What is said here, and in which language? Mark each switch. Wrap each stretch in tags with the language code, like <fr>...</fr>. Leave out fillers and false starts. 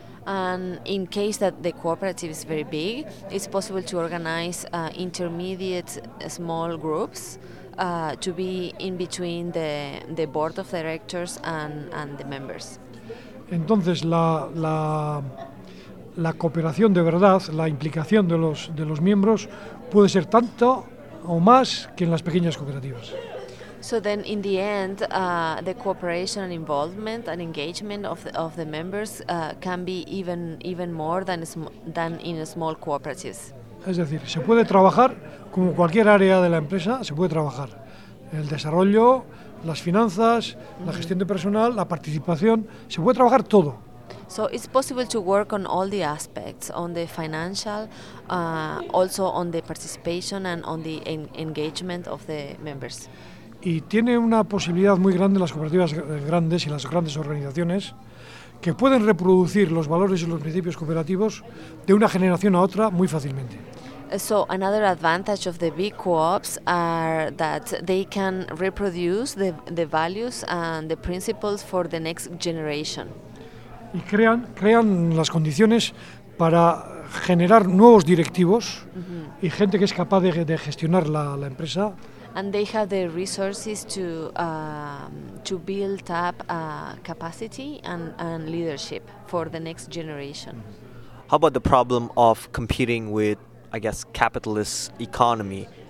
<en>And in case that the cooperative is very big, it's possible to organize intermediate small groups to be in between the board of directors and the members.</en> <es>Entonces la cooperación de verdad, la implicación de los miembros puede ser tanto o más que en las pequeñas cooperativas.</es> <en>So then, in the end, the cooperation and involvement and engagement of the members can be even more than in small cooperatives.</en> <es>Es decir, se puede trabajar como cualquier área de la empresa, se puede trabajar el desarrollo, las finanzas, la gestión de personal, la participación, se puede trabajar todo.</es> <en>So it's possible to work on all the aspects, on the financial, also on the participation and on the engagement of the members.</en> <es>Y tiene una posibilidad muy grande las cooperativas grandes y las grandes organizaciones que pueden reproducir los valores y los principios cooperativos de una generación a otra muy fácilmente.</es> <en>So another advantage of the big co-ops are that they can reproduce the values and the principles for the next generation.</en> <es>Y crean las condiciones para generar nuevos directivos y gente que es capaz de gestionar la empresa.</es> <en>And they have the resources to build up capacity and leadership for the next generation. How about the problem of competing with I guess, capitalist economy.</en>